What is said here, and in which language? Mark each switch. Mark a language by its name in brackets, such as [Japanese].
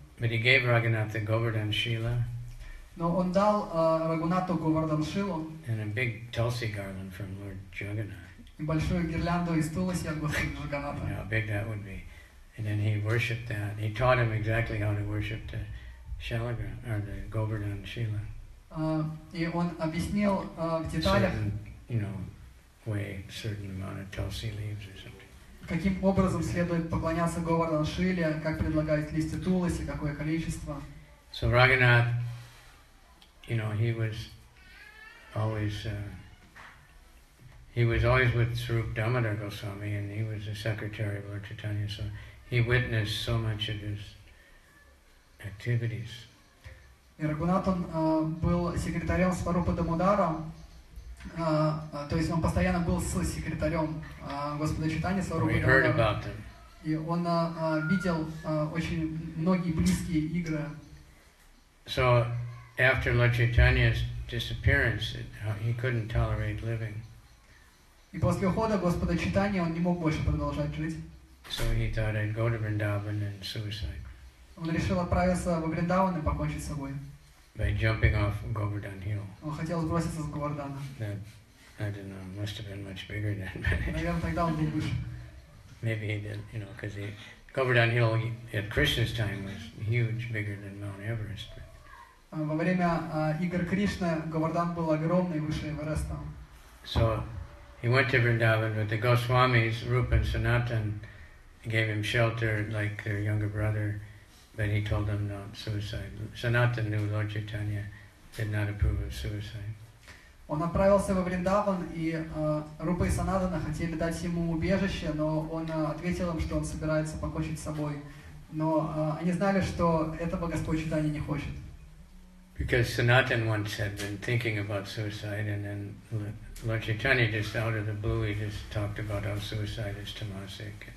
[English] But he gave Raghunath the Govardhan Shila. [Russian] Но он дал Рагунату Говардхан Шилу. [English] And a big Tulsi garland from Lord Jagannath. [Russian] И большую гирлянду из Туласи от Господа Джаганнатха. [English] How big that would be. And then he worshipped that. He taught him exactly how to worship the Shalagram or the Govardhan Shila. [Russian] И он объяснил в деталях, [English] you know, weigh certain amount of tulsi leaves or something. [Russian] Каким образом следует поклоняться Говардхан Шиле, как предлагают листья туласи, какое количество? [English] So Raghunath, you know, he was always. He was always with Srup Damodar Goswami, and he was the secretary of Lord Chaitanya. So he witnessed so much of his activities. [Russian] И Рагунат он был секретарем Сварупы Дамодара, то есть он постоянно был с секретарем Господа Чайтаньи Сварупы Дамодара. [English] We heard about them. [Russian] И он видел очень многие близкие игры. [English] So after Lord Chaitanya's disappearance, he couldn't tolerate living. [Russian] И после ухода Господа Читания он не мог больше продолжать жить. [English] So he thought I'd go to Vrindavan and suicide. [Russian] Он решил отправиться во Вриндаван и покончить с собой. [English] By jumping off Govardhan Hill. [Russian] Он хотел сброситься с Говардхана. [English] That, I don't know, must have been much bigger than that. [Russian] Наверное, тогда он был выше. [English] Maybe he did, you know, because Govardhan Hill at Krishna's time was huge, bigger than Mount Everest. [Russian] Во время игр Кришны Говардхан был огромный, выше Эвереста. [English] So he went to Vrindavan, but the Goswamis, Rupa and Sanatan, gave him shelter like their younger brother, but he told them not suicide. Sanatan knew Lord Chaitanya did not approve of suicide. [Russian] Он отправился во Вриндаван, и Рупа и Санатана хотели дать ему убежище, но он ответил им, что он собирается покончить с собой. Но они знали, что этого Господь Читания не хочет. [English] Because Sanatan once had been thinking about suicide, and then Lord Chaitanya just out of the blue, he just talked about how suicide is tamasic.